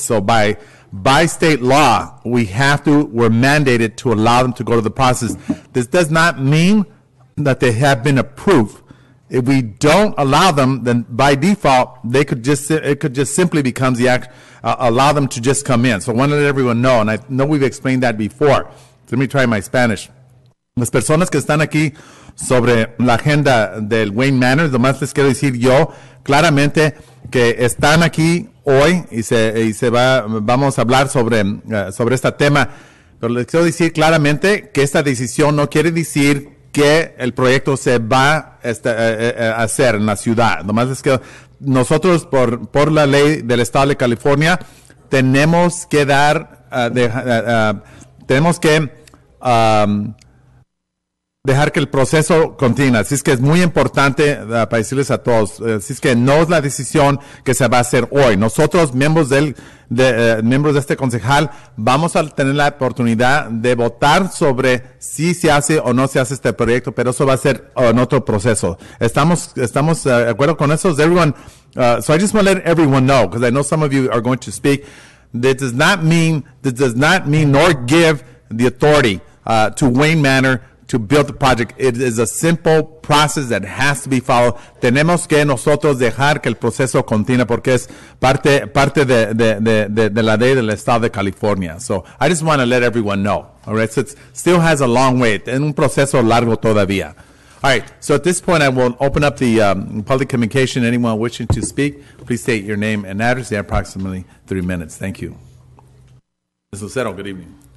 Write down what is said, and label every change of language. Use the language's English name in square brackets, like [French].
[English] So by state law, we're mandated to allow them to go to the process. This does not mean that they have been approved. If we don't allow them, then by default, allow them to just come in. So I want to let everyone know, and I know we've explained that before. So let me try my Spanish. [Spanish] Las personas que están aquí sobre la agenda del Wayne Manor, lo más les quiero decir yo claramente que están aquí hoy vamos a hablar sobre este tema. Pero les quiero decir claramente que esta decisión no quiere decir que el proyecto se va a hacer en la ciudad. Lo más es que nosotros, por la ley del Estado de California, tenemos que dejar que el proceso continúe. Así es que es muy importante para decirles a todos. Así es que no es la decisión que se va a hacer hoy. Nosotros, miembros de este concejal, vamos a tener la oportunidad de votar sobre si se hace o no se hace este proyecto, pero eso va a ser en otro proceso. Estamos de acuerdo con eso. [English] So I just want to let everyone know, because I know some of you are going to speak. This does not mean nor give the authority to Wayne Manor to build the project. It is a simple process that has to be followed. [Spanish] Tenemos que nosotros dejar que el proceso continúe porque es parte de la ley del Estado de California. [English] So I just want to let everyone know. All right, so it still has a long wait. [Spanish] Es un proceso largo todavía. [English] All right, so at this point, I will open up the public communication. Anyone wishing to speak, please state your name and address. They have approximately 3 minutes. Thank you. Ms. Lucero, good evening.